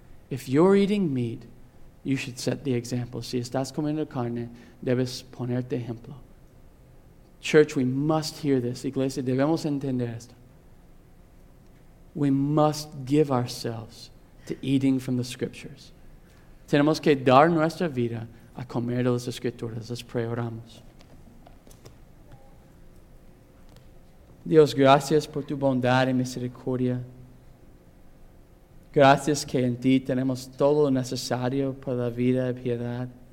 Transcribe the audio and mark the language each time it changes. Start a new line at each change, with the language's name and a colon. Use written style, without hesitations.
English: If you're eating meat, you should set the example.
Spanish: Si estás comiendo carne, debes ponerte ejemplo.
English: Church, we must hear this.
Spanish: Iglesia, debemos entender esto.
English: We must give ourselves to eating from the Scriptures.
Spanish: Tenemos que dar nuestra vida a comer de las Escrituras.
English: Let's pray,
Spanish: oramos. Dios, gracias por tu bondad y misericordia. Gracias que en ti tenemos todo lo necesario para la vida y piedad.